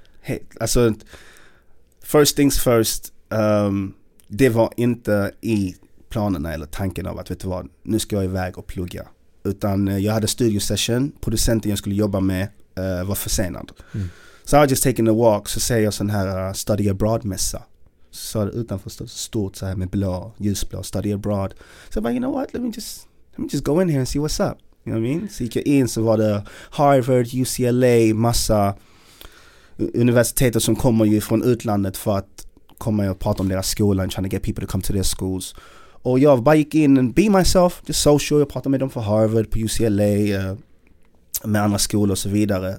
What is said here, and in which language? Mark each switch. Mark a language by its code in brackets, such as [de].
[sv] Hey, alltså, [en] first things first, [sv] det var inte i planerna eller tanken av att, vet du vad, nu ska jag iväg och plugga. Utan jag hade studio session, producenten jag skulle jobba med var försenad. Mm. [en] So I was just taking a walk, [sv] så ser jag sån här [en] study abroad mässa. [sv] Så utanför stort så här med blå, ljusblå, study abroad. [en] So I'm like, you know what, let me just go in here and see what's up. You know what I mean? [sv] Så gick jag in, så var det Harvard, UCLA, massa universiteter som kommer ju från utlandet för att komma och prata om deras skola [en] and trying to get people to come to their schools. [sv] Och jag bara gick in [en] and be myself, just social. [sv] Jag pratade med dem för Harvard, på UCLA, med andra skolor och så vidare.